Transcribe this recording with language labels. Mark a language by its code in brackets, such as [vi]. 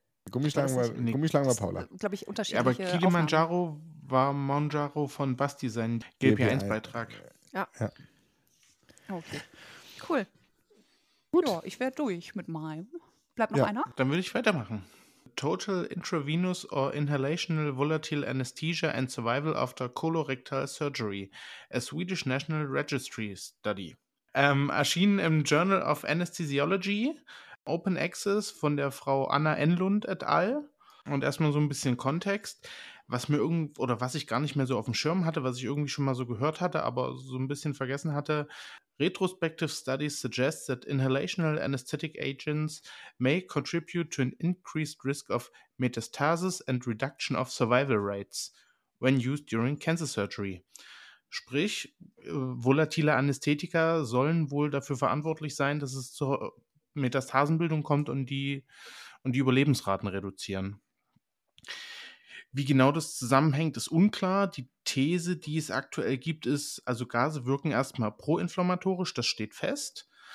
[de] Gummischlangen war Paula. Glaube ich, unterschiedliche. Aber Kilimanjaro war Mounjaro von Basti, sein GPA1-Beitrag. Ja. Ja. Okay. Cool. Gut. Ja, ich werde durch mit meinem. Bleibt noch einer? Dann würde ich weitermachen. [en] Total intravenous or inhalational volatile anesthesia and survival after colorectal surgery. A Swedish National Registry Study. [de] Erschienen im Journal of Anesthesiology. Open Access von der Frau Anna Enlund et al. Und erstmal so ein bisschen Kontext. Was ich gar nicht mehr so auf dem Schirm hatte, was ich irgendwie schon mal so gehört hatte, aber so ein bisschen vergessen hatte. [en] Retrospective studies suggest that inhalational anesthetic agents may contribute to an increased risk of metastasis and reduction of survival rates when used during cancer surgery. [de] Sprich, volatile Anästhetika sollen wohl dafür verantwortlich sein, dass es zur Metastasenbildung kommt und die Überlebensraten reduzieren. Wie genau das zusammenhängt, ist unklar. Die These, die es aktuell gibt, ist, also Gase wirken erstmal proinflammatorisch, das steht fest.